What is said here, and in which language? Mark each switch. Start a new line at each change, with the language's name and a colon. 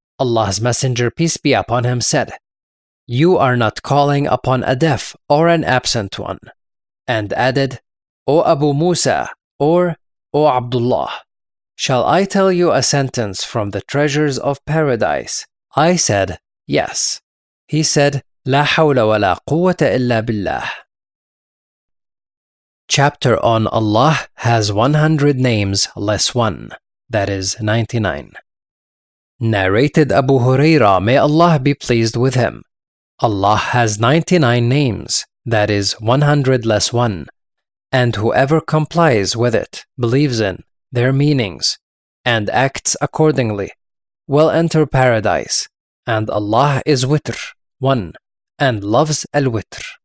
English: Allah's Messenger, peace be upon him, said, you are not calling upon a deaf or an absent one. And added, O Abu Musa, or O Abdullah, shall I tell you a sentence from the treasures of paradise? I said, yes. He said,
Arabic: لا حول ولا قوة إلا بالله.
English: Chapter on Allah has 100 names less one, that is 99. Narrated Abu Huraira, may Allah be pleased with him. Allah has 99 names, that is 100 less one, and whoever complies with it, believes in their meanings, and acts accordingly, will enter paradise, and Allah is witr, one, and loves al-witr.